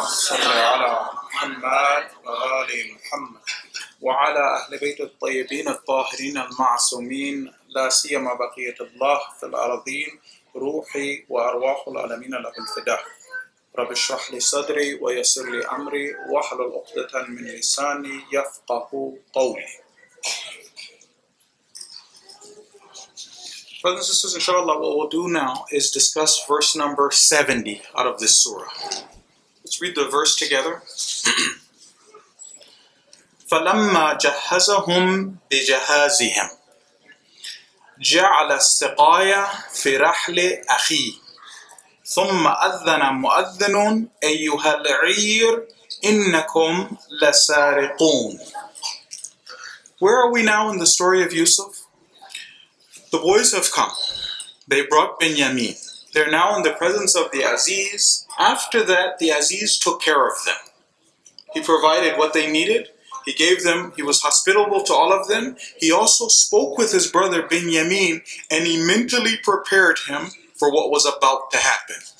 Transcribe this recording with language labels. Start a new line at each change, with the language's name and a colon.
Arabic: صل على محمد وآل محمد وعلى أهل بيت الطيبين الطاهرين المعصومين لا سيما بقية الله في الأرضين روحي وأرواح العالمين لهم الفداء رب اشرح لي صدري ويسر لي امري واحلل عقدة من لساني يفقه قولي.
English: Brothers and sisters, inshallah, what we'll do now is discuss verse number 70 out of this surah. Let's read the verse together.
Arabic: فَلَمَّا جَهَّزَهُمْ بِجَهَازِهِمْ جَعَلَ السِّقَايَ فِي رَحْلِ أَخِيهِ ثم أذن مؤذن أيها العير إنكم لسارقون.
English: Where are we now in the story of Yusuf? The boys have come. They brought Binyamin. They're now in the presence of the Aziz. After that, the Aziz took care of them. He provided what they needed. He gave them, he was hospitable to all of them. He also spoke with his brother Binyamin and he mentally prepared him for what was about to happen.